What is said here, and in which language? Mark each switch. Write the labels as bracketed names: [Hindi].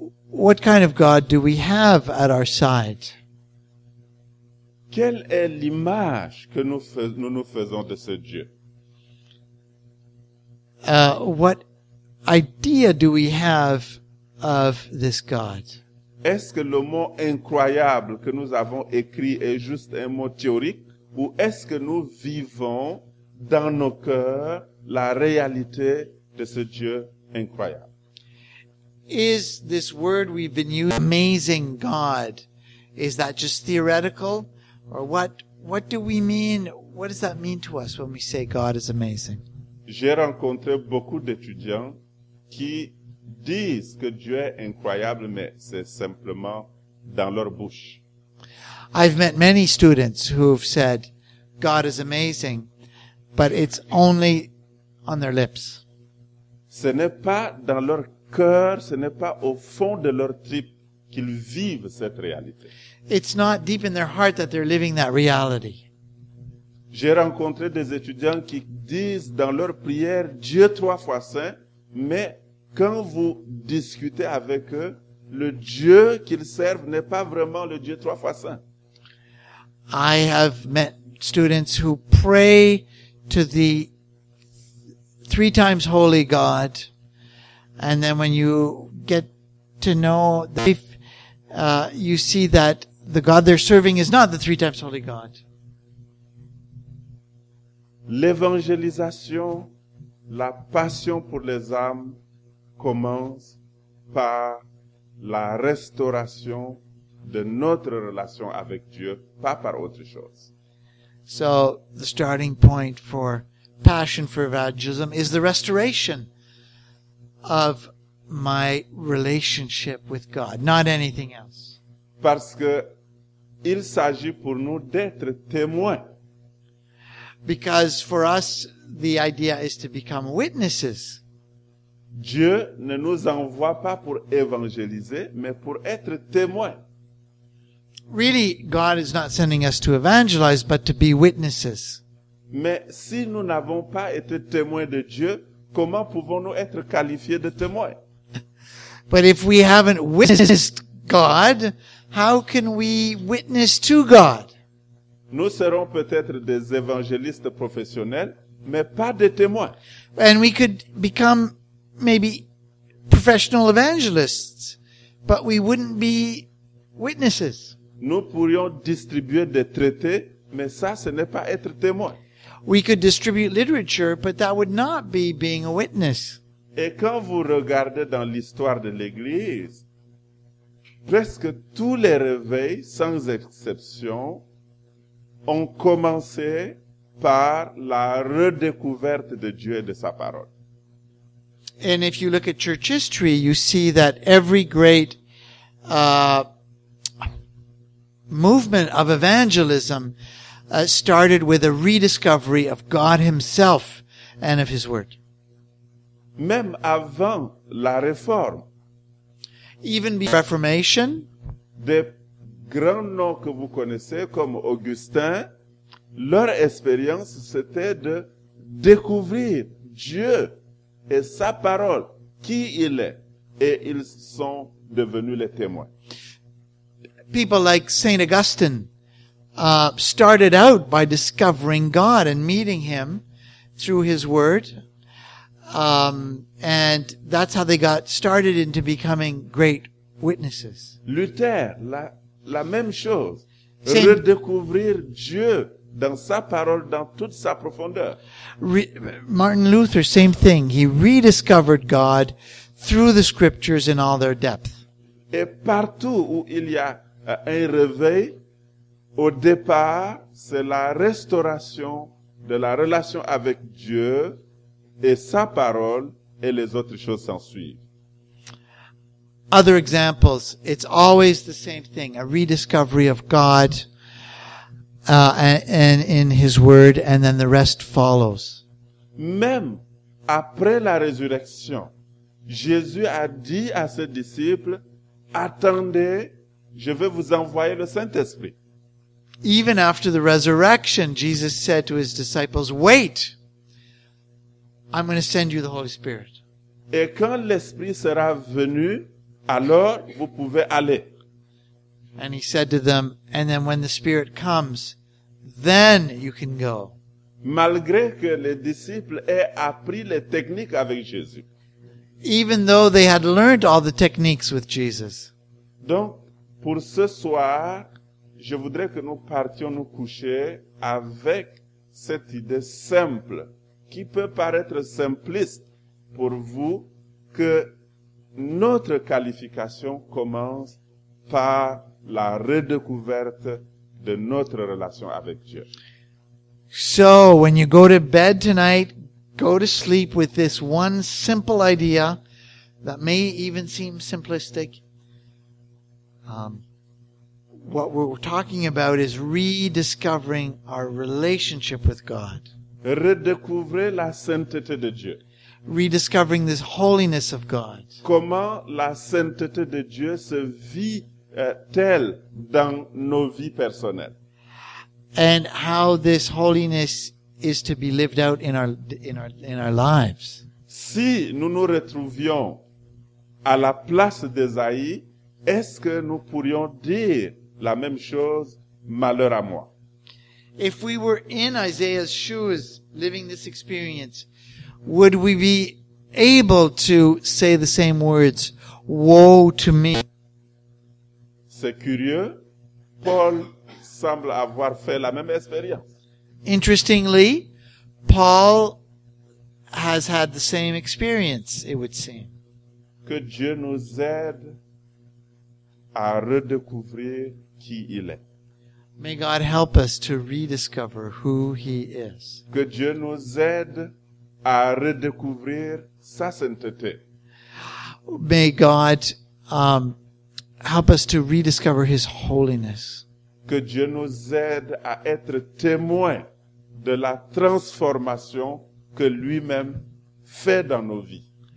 [English] What kind of God do we have at our side? [French] Quelle est l'image que nous faisons de ce Dieu? [English] What idea do we have of this God? [French] Est-ce que le mot incroyable que nous avons écrit est juste un mot théorique, ou est-ce que nous vivons dans nos cœurs la réalité de ce Dieu incroyable? [English] Is this word we've been using, amazing God, is that just theoretical? Or what do we mean? What does that mean to us when we say God is amazing? [French] J'ai rencontré beaucoup d'étudiants qui disent que Dieu est incroyable, mais c'est simplement dans leur bouche. [English] I've met many students who've said God is amazing, but it's only on their lips. [French] Ce n'est pas dans leur cœur, ce n'est pas au fond de leur trip qu'ils vivent cette réalité. [English] It's not deep in their heart that they're living that reality. [French] J'ai rencontré des étudiants qui disent dans leur prière Dieu trois fois saint, mais quand vous discutez avec eux, le Dieu qu'ils servent n'est pas vraiment le Dieu trois fois saint. [English] I have met students who pray to the three times holy God, and then when you get to know them, you see that the God they're serving is not the three times holy God. [French] L'évangélisation, la passion pour les âmes, commence par la restauration de notre relation avec Dieu, pas par autre chose. [English] So, the starting point for passion for evangelism is the restoration of my relationship with God, not anything else. [French] Parce que il s'agit pour nous d'être témoins. [English] Because for us, the idea is to become witnesses. [French] Dieu ne nous envoie pas pour évangéliser, mais pour être témoins. [English] Really, God is not sending us to evangelize, but to be witnesses. [French] Mais si nous n'avons pas été témoins de Dieu, comment pouvons-nous être qualifiés de témoins? [English] But if we haven't witnessed God, how can we witness to God? [French] Nous serons peut-être des évangélistes professionnels, mais pas des témoins. [English] And we could become maybe professional evangelists, but we wouldn't be witnesses. [French] Nous pourrions distribuer des traités, mais ça, ce n'est pas être témoin. [English] We could distribute literature, but that would not be being a witness. [French] Et quand vous regardez dans l'histoire de l'Église, presque tous les réveils, sans exception, ont commencé par la redécouverte de Dieu et de sa parole. [English] And if you look at church history, you see that every great movement of evangelism started with a rediscovery of God himself and of his word. [French] Même avant la réforme, [English] even before Reformation, [French] des grands noms que vous connaissez comme Augustin, leur expérience c'était de découvrir Dieu et sa parole, qui il est, et ils sont devenus les témoins. [English] People like Saint Augustine started out by discovering God and meeting him through his word. And that's how they got started into becoming great witnesses. [French] Luther, la même chose. Saint, redécouvrir Dieu dans sa parole, dans toute sa profondeur. [English] Martin Luther, same thing. He rediscovered God through the scriptures in all their depth. [French] Et partout où il y a un réveil, au départ, c'est la restauration de la relation avec Dieu et sa parole, et les autres choses s'en suivent. [English] Other examples, it's always the same thing, a rediscovery of God and in his word, and then the rest follows. [French] Même après la résurrection, Jésus a dit à ses disciples, attendez, je vais vous envoyer le Saint-Esprit. [English] Even after the resurrection, Jesus said to his disciples, wait, I'm going to send you the Holy Spirit. [French] Et quand l'Esprit sera venu, alors vous pouvez aller. [English] And he said to them, and then when the Spirit comes, then you can go. [French] Malgré que les disciples aient appris les techniques avec Jésus. [English] Even though they had learned all the techniques with Jesus. [French] Donc, pour ce soir, je voudrais que nous partions nous coucher avec cette idée simple, qui peut paraître simpliste pour vous, que notre qualification commence par la redécouverte de notre relation avec Dieu. [English] So, when you go to bed tonight, go to sleep with this one simple idea that may even seem simplistic. What we're talking about is rediscovering our relationship with God. [French] Redécouvrir la sainteté de Dieu. [English] Rediscovering this holiness of God. [French] Comment la sainteté de Dieu se vit-elle dans nos vies personnelles? [English] And how this holiness is to be lived out in our lives. [French] Si nous nous retrouvions à la place d'Ésaïe, est-ce que nous pourrions dire la même chose, malheur à moi? [English] If we were in Isaiah's shoes, living this experience, would we be able to say the same words, woe to me? [French] C'est curieux. Paul semble avoir fait la même expérience. [English] Interestingly, Paul has had the same experience, it would seem. [French] Que Dieu nous aide à redécouvrir qui il est. [English] May God help us to rediscover who he is. [French] Que Dieu nous aide à redécouvrir sa sainteté. [English] May God help us to rediscover his holiness. [French] Que Dieu nous aide à être témoin de la transformation que lui-même fait dans nos vies.